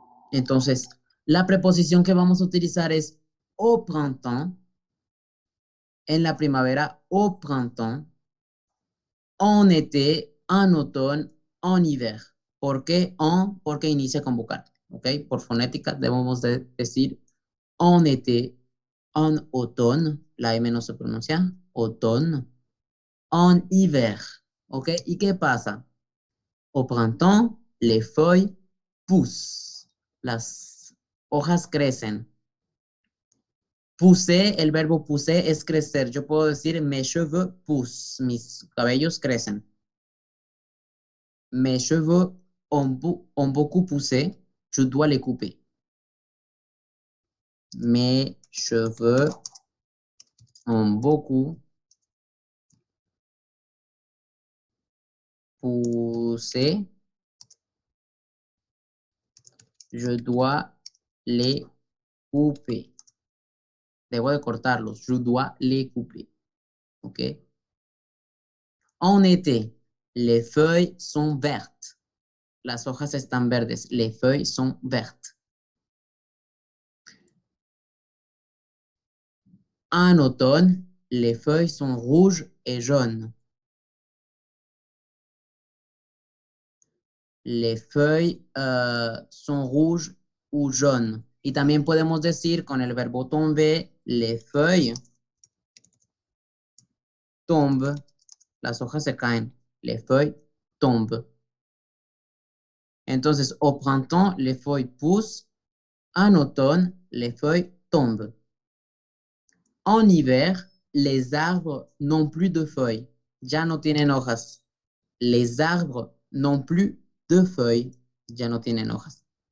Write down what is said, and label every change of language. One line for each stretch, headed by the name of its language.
Spanish: Entonces, la preposición que vamos a utilizar es
French: au printemps,
Spanish: en la primavera,
French: au printemps, en été, en automne, en hiver.
Spanish: ¿Por qué en? Porque inicia con vocal. ¿Ok? Por fonética debemos de decir
French: en été, en automne,
Spanish: la M no se pronuncia,
French: automne, en hiver.
Spanish: ¿Ok? ¿Y qué pasa?
French: Au printemps, les feuilles poussent.
Spanish: Las hojas crecen. Pousser, el verbo pousser es crecer. Yo puedo decir
French: mes cheveux poussent,
Spanish: mis cabellos crecen.
French: Mes cheveux ont beaucoup poussé, je dois les couper. Mes cheveux ont beaucoup poussé, je dois les couper.
Spanish: Debo de cortarlos,
French: je dois les couper.
Spanish: ¿Ok?
French: En été, les feuilles sont vertes.
Spanish: Las hojas están verdes.
French: Les feuilles sont vertes. En automne, les feuilles sont rouges et jaunes. Les feuilles sont rouges ou jaunes.
Spanish: Y también podemos decir con el verbo tomber,
French: les feuilles tombent.
Spanish: Las hojas se caen.
French: Les feuilles tombent. Entonces, au printemps, les feuilles poussent. En automne, les feuilles tombent. En hiver, les arbres n'ont plus de feuilles.
Spanish: Ya no tienen hojas.
French: Les arbres n'ont plus de feuilles.
Spanish: Ya no tienen hojas.